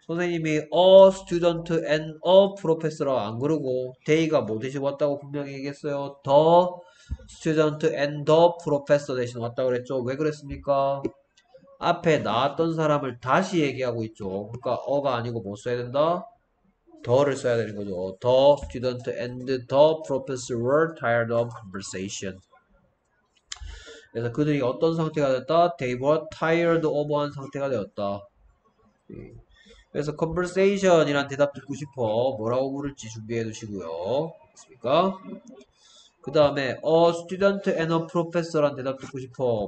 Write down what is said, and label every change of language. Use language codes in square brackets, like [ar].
[ko] 선생님이 a student and a professor 라고 안 그러고 데이가 뭐 대신 왔다고 분명히 얘기했어요. the student and the professor 대신 왔다고 그랬죠. 왜 그랬습니까? 앞에 나왔던 사람을 다시 얘기하고 있죠. 그러니까 어가 아니고 뭐 써야 된다? 더를 써야 되는 거죠. [en] The student and the professor were tired of conversation. [ko] 그래서 그들이 어떤 상태가 됐다? They were tired of 한 상태가 되었다. 그래서 conversation 이란 대답 듣고 싶어. 뭐라고 부를지 준비해 두시고요. 맞습니까? 그 다음에 a student and a professor 란 대답 듣고 싶어.